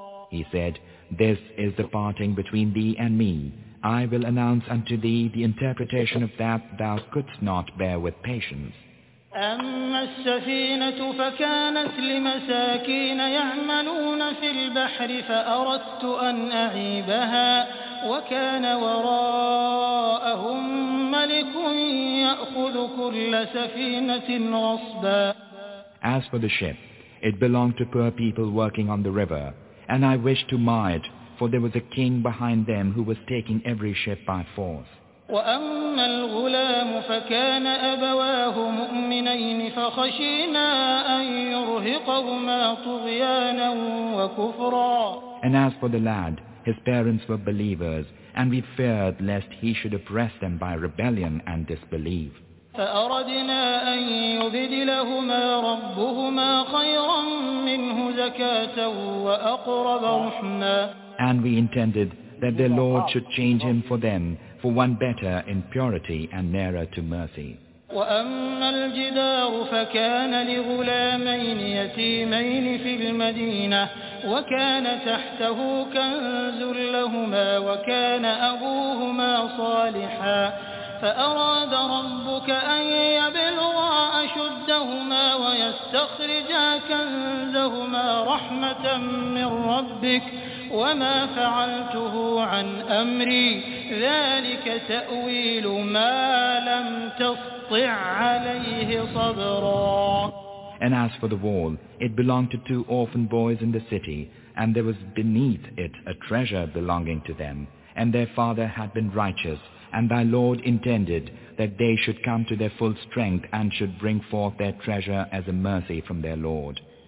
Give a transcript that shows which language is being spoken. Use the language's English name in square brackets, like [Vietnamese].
[English] He said, This is the parting between thee and me. I will announce unto thee the interpretation of that thou couldst not bear with patience. [Arabic] أما السفينة فكانت لمساكين يعملون في البحر فأردت أن أعيبها وكان وراءهم ملك يأخذ كل سفينة غصبا. [English] As for the ship, it belonged to poor people working on the river, and I wished to mar it, for there was a king behind them who was taking every ship by force. [Arabic] وأما الغلام فكان أبواه مؤمنين فخشينا أن يرهقهما طغيانا وكفرا. [English] And as for the lad, his parents were believers, and we feared lest he should oppress them by rebellion and disbelief. [Arabic] فأردنا أن يبدلهما ربهما خيرا منه زكاة وأقرب رحما. [English] And we intended that their Lord should change him for them for one better in purity and nearer to mercy. [Arabic] وأما الجدار فكان لغلامين يتيمين في المدينة وكان تحته كنز لهما وكان أبوهما صالحا فأراد ربك أن يبلغا أشدهما ويستخرجا كنزهما رحمة من ربك وما فعلته عن أمري ذلك تأويل ما لم تسطع عليه صبرا. [English] And as for the wall, it belonged to two orphan boys in the city, and there was beneath it a treasure belonging to them, and their father had been righteous, and thy Lord intended that they should come to their full strength and should bring forth their treasure as a mercy from their Lord.